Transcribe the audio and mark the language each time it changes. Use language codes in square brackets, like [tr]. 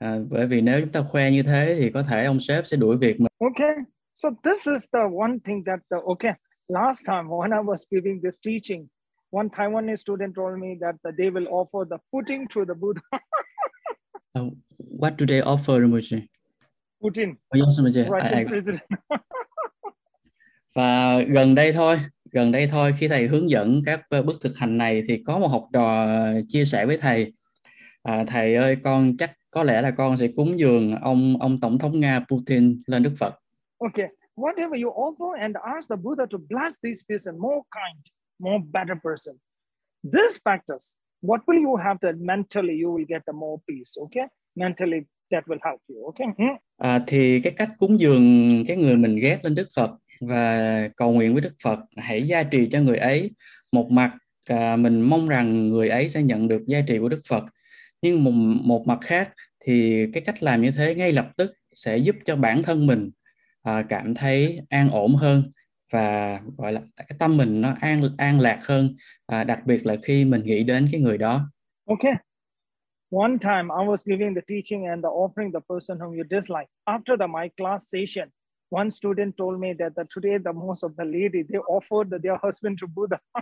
[vi] Bởi vì nếu chúng ta khoe như thế thì có thể ông sếp sẽ đuổi việc mình. [en] Okay, so this is the one thing that last time when I was giving this teaching, one Taiwanese student told me that they will offer the pudding to the Buddha. What do they offer, Rinpoche? Putin. Oh, yes, Rinpoche. Right, President. [vi] Và gần đây thôi, khi thầy hướng dẫn các bước thực hành này, thì có một học trò chia sẻ với thầy. Thầy ơi, con chắc Có lẽ là con sẽ cúng dường ông Tổng thống Nga Putin lên Đức Phật. [en] Okay, whatever you offer and ask the Buddha to bless this person more kind, more better person. This practice, what will you have that mentally you will get the more peace, okay? Mentally that will help you, okay? [vi] À, thì cái cách cúng dường cái người mình ghét lên Đức Phật và cầu nguyện với Đức Phật hãy gia trì cho người ấy, một mặt mình mong rằng người ấy sẽ nhận được gia trì của Đức Phật, nhưng một mặt khác thì cái cách làm như thế ngay lập tức sẽ giúp cho bản thân mình cảm thấy an ổn hơn và gọi là cái tâm mình nó an lạc hơn, đặc biệt là khi mình nghĩ đến cái người đó. [en] Okay. One time I was giving the teaching and the offering the person whom you dislike. After the my class session, one student told me that today the most of the lady they offered their husband to Buddha.